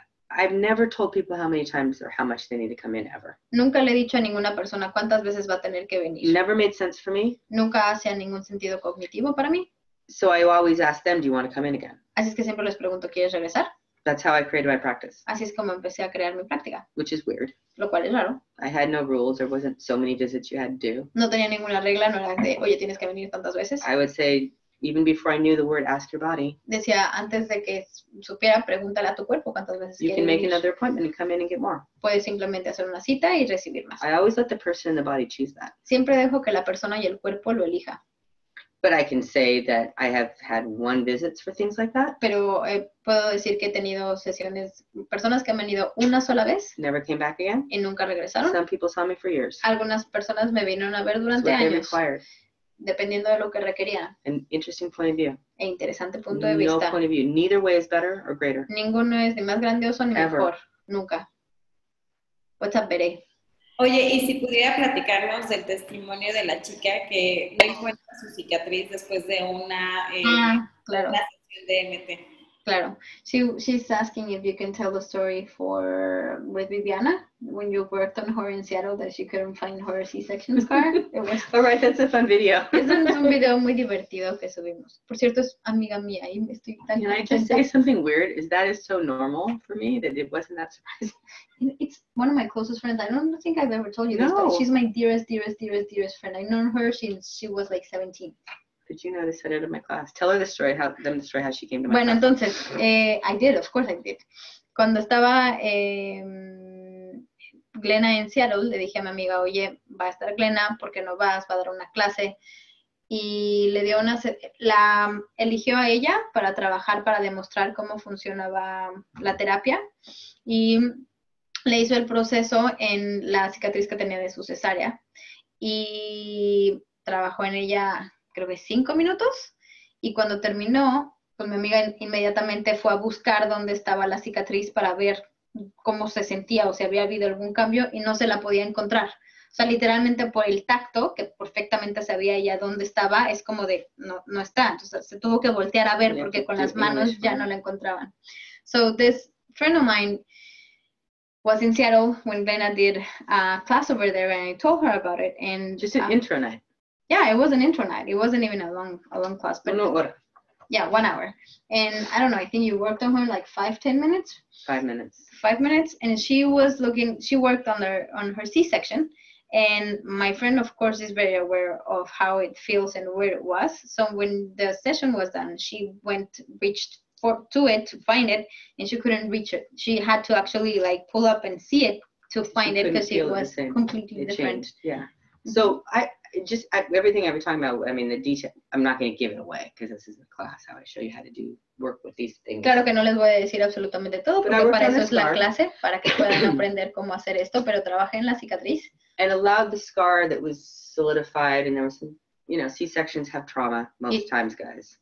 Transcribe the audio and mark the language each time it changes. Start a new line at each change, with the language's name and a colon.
English: I've never told people how many times or how much they need to come in ever.
Spanish: Nunca le he dicho a ninguna persona cuántas veces va a tener que venir.
English: Never made sense for me.
Spanish: Nunca hacía ningún sentido cognitivo para mí.
English: So I always ask them, do you want to come in again?
Spanish: Así es que siempre les pregunto, ¿quieres regresar?
English: That's how I created my practice.
Spanish: Así es como empecé a crear mi práctica.
English: Which is weird.
Spanish: Lo cual es raro.
English: I had no rules. There wasn't so many visits you had to do.
Spanish: No tenía ninguna regla. No era de, oye, tienes que venir tantas veces.
English: I would say, even before I knew the word, ask your body.
Spanish: Decía, antes de que supiera, pregúntale a tu cuerpo cuántas veces quieres venir.
English: You can make
Spanish: venir.
English: Another appointment and come in and get more.
Spanish: Puedes simplemente hacer una cita y recibir más.
English: I always let the person and the body choose that.
Spanish: Siempre dejo que la persona y el cuerpo lo elija.
English: But I can say that I have had one visits for things like that.
Spanish: Pero puedo decir que he tenido sesiones, personas que han venido una sola vez.
English: Never came back again.
Spanish: Y nunca regresaron.
English: Some people saw me for years.
Spanish: Algunas personas me vinieron a ver durante años.
English: What they required.
Spanish: Dependiendo de lo que requería.
English: An interesting point of view.
Spanish: E interesante punto de vista.
English: No point of view. Neither way is better or greater.
Spanish: Ninguno es ni más grandioso ni
English: ever.
Spanish: Mejor. Nunca.
English: What's up, Bere?
Spanish: Oye, y si pudiera platicarnos del testimonio de la chica que no encuentra su cicatriz después de una sesión de MT. Claro.
English: She's asking if you can tell the story with Viviana when you worked on her in Seattle that she couldn't find her C-section scar. All right, that's a fun video.
Spanish: Es un video muy divertido que subimos. Por cierto, es amiga mía y estoy tan contenta.
English: Can I just say something weird? Is that is so normal for me that it wasn't that surprising. It's one of my closest friends. I don't think I've ever told you
Spanish: no.
English: this, but she's my dearest friend. I've known her since she was like 17. Did you know this out of my class? Tell her the story, how she came to my
Spanish: bueno,
English: class.
Spanish: Bueno, entonces,
English: I did, of course I did.
Spanish: Cuando estaba Glenna en Seattle, le dije a mi amiga, oye, va a estar Glenna, ¿por qué no vas? Va a dar una clase. Y le dio una, la eligió a ella para trabajar, para demostrar cómo funcionaba la terapia. Y le hizo el proceso en la cicatriz que tenía de su cesárea. Y trabajó en ella, creo que 5 minutos, y cuando terminó, pues mi amiga inmediatamente fue a buscar dónde estaba la cicatriz para ver cómo se sentía o si había habido algún cambio, y no se la podía encontrar. O sea, literalmente por el tacto, que perfectamente sabía ella dónde estaba, es como de, no está. Entonces, se tuvo que voltear a ver porque con las manos ya no la encontraban.
English: So, this friend of mine was in Seattle when Glenna did a class over there, and I told her about it. And, just an intro night. Yeah, it was an intro night. It wasn't even a long class. But 1 hour. Yeah, 1 hour. And I don't know, I think you worked on her like 5-10 minutes? 5 minutes. 5 minutes. And she was looking, she worked on her C-section. And my friend, of course, is very aware of how it feels and where it was. So when the session was done, she reached to it to find it, and she couldn't reach it. She had to actually like pull up and see it to find she it because it was completely it different. Changed. Yeah. Mm-hmm. So everything I've been talking about, I mean, the detail, I'm not going to give it away because this is a class, how I show you how to do work with these things.
Spanish: Claro que no les voy a decir absolutamente todo,
English: but
Spanish: porque para eso es la clase, para que puedan aprender cómo hacer esto, pero trabajé en la cicatriz.
English: And allowed the scar that was solidified, and there was some, you know, C-sections have trauma most times, guys.